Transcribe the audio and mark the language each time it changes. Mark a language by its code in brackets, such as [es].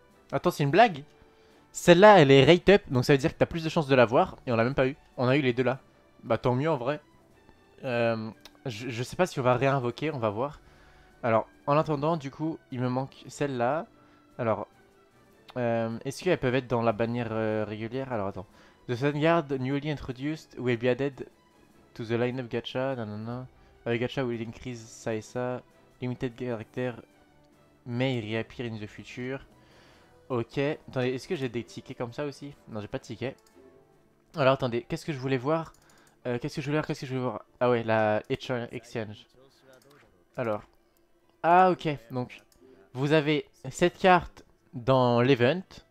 [fr] Attends, c'est une blague? Celle-là, elle est rate up, donc ça veut dire que t'as plus de chances de l'avoir, et on l'a même pas eu. On a eu les deux là. Bah tant mieux en vrai. Je sais pas si on va réinvoquer, on va voir. Alors, en attendant, du coup, il me manque celle-là. Alors, est-ce qu'elles peuvent être dans la bannière régulière? Alors attends. [en] The Sun Guard, newly introduced, will be added to the line-up gacha. Nanana. [fr] Avec gacha, [en] will increase [fr] ça et ça. [en] Limited character may reappear in the future. [fr] Ok, attendez, est-ce que j'ai des tickets comme ça aussi? Non, j'ai pas de tickets. Alors attendez, qu'est-ce que je voulais voir? Qu'est-ce que je voulais voir? Qu'est-ce que je voulais voir? Ah ouais, la exchange. Alors. Ah ok, donc vous avez cette carte dans l'event.